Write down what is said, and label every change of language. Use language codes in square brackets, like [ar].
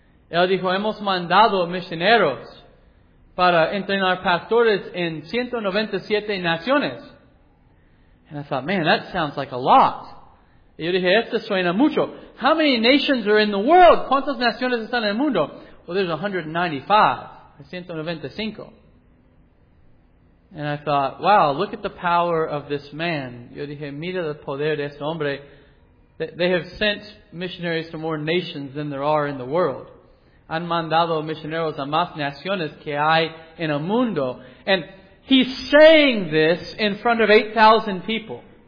[es] Él dijo, hemos mandado misioneros para entrenar pastores en 197 naciones. [en] And I thought, man, that sounds like a lot. [es] Y yo dije, esto suena mucho. [en] How many nations are in the world? [es] ¿Cuántas naciones están en el mundo? [en] Well, there's 195. 195. And I thought, wow, look at the power of this man. [es] Yo dije, mira el poder de este hombre. [en] They have sent missionaries to more nations than there are in the world. [es] Han mandado misioneros a más naciones que hay en el mundo. [en] And he's saying this in front of 8,000 people.